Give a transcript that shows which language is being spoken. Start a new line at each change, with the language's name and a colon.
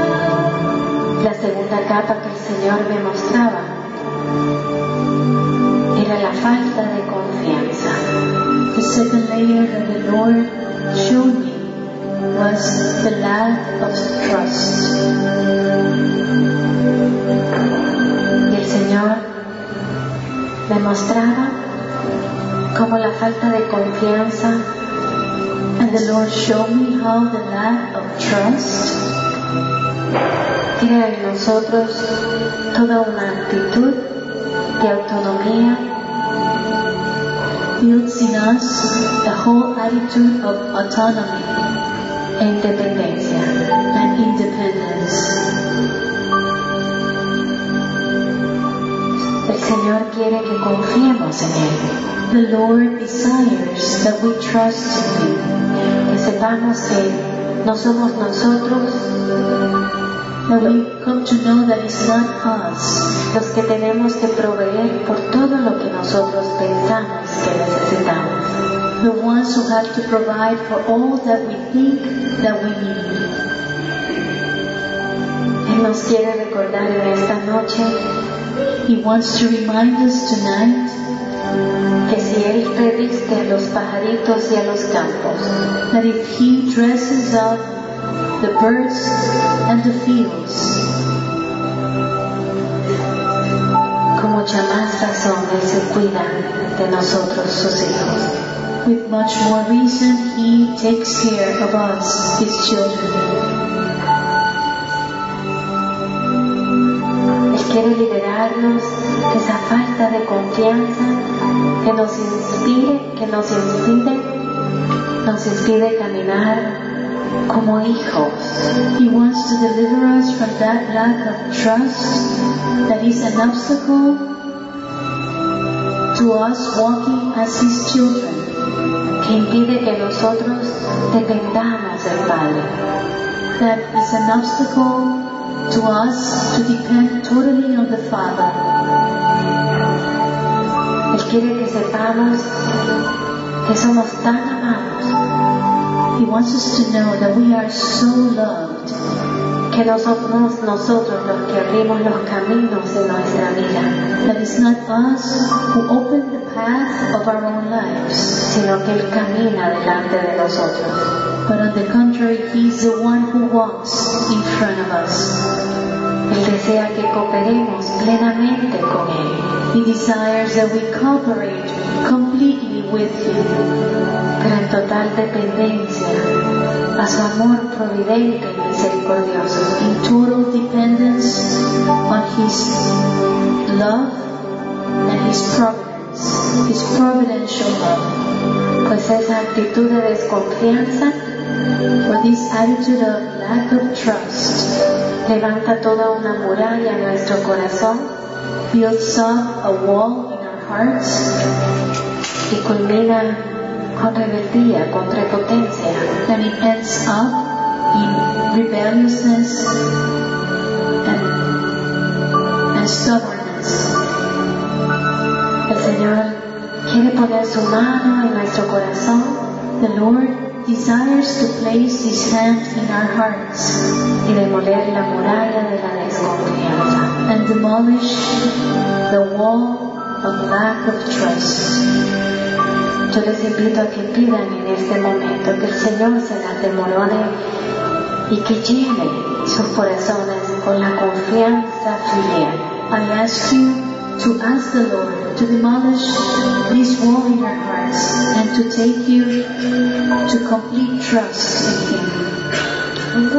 Spanish: el Señor me mostraba era la falta de confianza.
English: The second layer that the Lord showed me was the lack of trust.
Spanish: Y el Señor me mostraba como la falta de confianza.
English: And the Lord showed me how the lack of trust
Spanish: crea en nosotros toda una actitud de autonomía,
English: builds in us a whole attitude of autonomy
Spanish: e independencia.
English: And independence.
Spanish: El Señor quiere que confiemos en Él.
English: The Lord desires that we trust Him.
Spanish: Que sepamos que no somos nosotros.
English: That we come to know that it's not us
Spanish: los que tenemos que proveer por todo lo que nosotros pensamos que necesitamos.
English: The ones who have to provide for all that we think that we need.
Spanish: Él nos quiere recordar en esta noche.
English: He wants to remind us tonight
Spanish: que si Él previste a los pajaritos y a los campos,
English: that if He dresses up the birds and the fields,
Spanish: con mucha más razón Él se cuida de nosotros, sus hijos.
English: With much more reason He takes care of us, His children.
Spanish: Él quiere liberarnos de esa falta de confianza que nos impide caminar como hijos.
English: He wants to deliver us from that lack of trust that is an obstacle to us walking as His children,
Spanish: que impide que nosotros dependamos del Padre.
English: That is an obstacle to us to depend totally on the Father.
Spanish: Él quiere que sepamos que somos tan amados.
English: He wants us to know that we are so loved.
Spanish: Que no somos nosotros los que abrimos los caminos de nuestra vida.
English: That it's not us who open the path of our own lives,
Spanish: sino que Él camina delante de nosotros.
English: But on the contrary, He's the one who walks in front of us.
Spanish: Él desea que cooperemos plenamente con Él.
English: He desires that we cooperate completely with Him,
Spanish: pero en total dependencia a su amor providente y misericordioso.
English: In total dependence on His love and His providence, His providential love.
Spanish: Pues esa actitud de desconfianza,
English: for this attitude of lack of trust,
Spanish: levanta toda una muralla en nuestro corazón,
English: builds up a wall in our hearts,
Spanish: y culmina con rebeldía, con prepotencia.
English: And it ends up in rebelliousness and stubbornness.
Spanish: El Señor quiere poner su mano en nuestro corazón.
English: The Lord desires to place His hand in our hearts,
Spanish: y demoler la muralla de la desconfianza,
English: and demolish the wall of lack of trust.
Spanish: Yo les invito a que pidan en este momento que el Señor se las demolone y que llene sus corazones con la confianza fiel.
English: I ask you to ask the Lord to demolish this wall in our hearts and to take you to complete trust in Him.